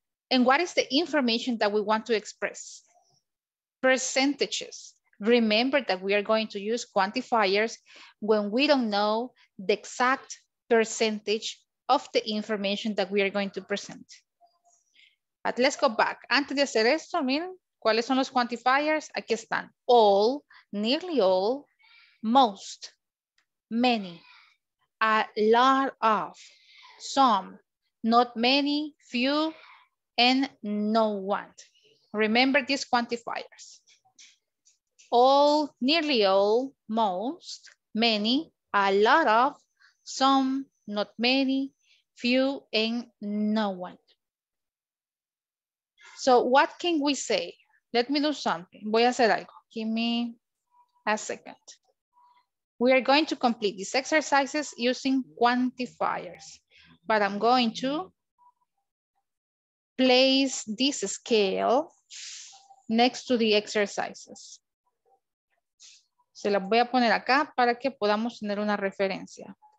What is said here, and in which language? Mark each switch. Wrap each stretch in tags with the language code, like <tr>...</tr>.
<en>And what is the information that we want to express? Percentages. Remember that we are going to use quantifiers when we don't know the exact percentage of the information that we are going to present. But let's go back.</en> <es>Antes de hacer esto, miren, ¿cuáles son los quantifiers? Aquí están.</es> <en>All, nearly all, most, many, a lot of, some, not many, few, and no one. Remember these quantifiers. All, nearly all, most, many, a lot of, some, not many, few, and no one. So what can we say? Let me do something.</en> <es>Voy a hacer algo.</es> <en>Give me a second. We are going to complete these exercises using quantifiers, but I'm going to place this scale next to the exercises.</en> <es>Se la voy a poner acá para que podamos tener una referencia.</es>